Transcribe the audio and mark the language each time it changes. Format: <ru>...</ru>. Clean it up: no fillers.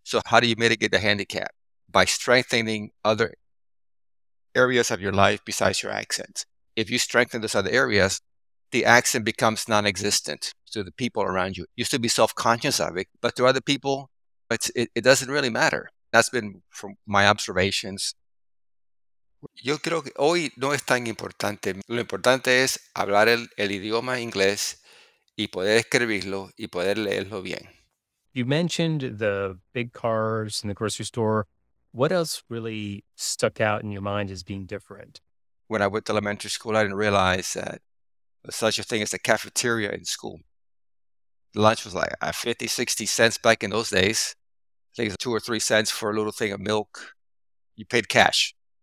<en>So how do you mitigate the handicap? By strengthening other areas of your life besides your accent. If you strengthen those other areas, the accent becomes non-existent to the people around you. You still be self-conscious of it, but to other people, it doesn't really matter. That's been from my observations.</en> <es>Yo creo que hoy no es tan importante. Lo importante es hablar el idioma inglés y poder escribirlo y poder leerlo bien.</es> <en>You mentioned the big cars in the grocery store. What else really stuck out in your mind as being different? When I went to elementary school, I didn't realize that such a thing as a cafeteria in school. Lunch was like 50, 60 cents back in those days. I think it was 2 or 3 cents for a little thing of milk. You paid cash.</en>